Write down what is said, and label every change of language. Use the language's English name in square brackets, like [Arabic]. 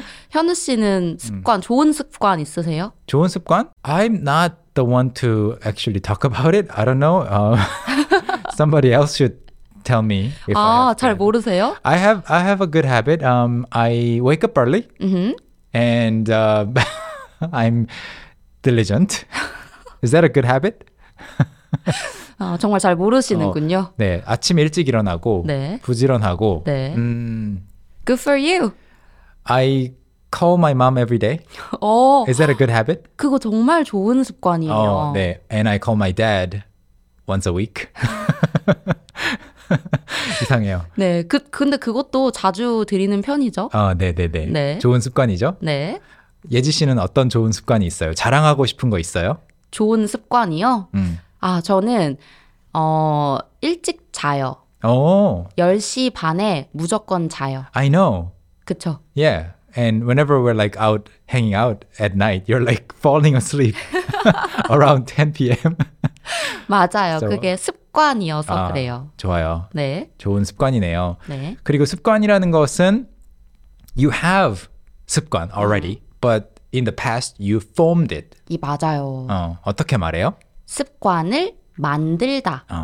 [Korean] 현우 씨는 습관, 좋은 습관 있으세요? 좋은 습관? [English] I'm not the one to actually talk about it. I don't know. Somebody else should tell me. If [Korean] 아, [English] I have [Korean] 잘 모르세요? [English] I have a good habit. I wake up early, and I'm diligent. Is that a good habit? [Korean] 정말 잘 모르시는군요. 네, 아침 일찍 일어나고, 네. 부지런하고. 네. [English] Good for you. I call my mom every day. Oh, is that a good habit? [Korean] 그거 정말 좋은 습관이에요. 네, [English] and I call my dad once a week. [Korean] 이상해요. 네, 근데 그것도 자주 드리는 편이죠. 네. 좋은 습관이죠. 네. 예지 씨는 어떤 좋은 습관이 있어요? 자랑하고 싶은 거 있어요? 좋은 습관이요? 아, 저는 일찍 자요. 10시 반에 무조건 자요. [English] I know. [Korean] 그쵸? [English] Yeah. And whenever we're like out hanging out at night, you're like falling asleep around 10 p.m. [Korean] 맞아요. So, 그게 습관이어서 그래요. 좋아요. 네. 좋은 습관이네요. 네. 그리고 습관이라는 것은 [English] you have 습관 already, but in the past you formed it. [Korean] 이 맞아요. 어떻게 말해요? 습관을 만들다.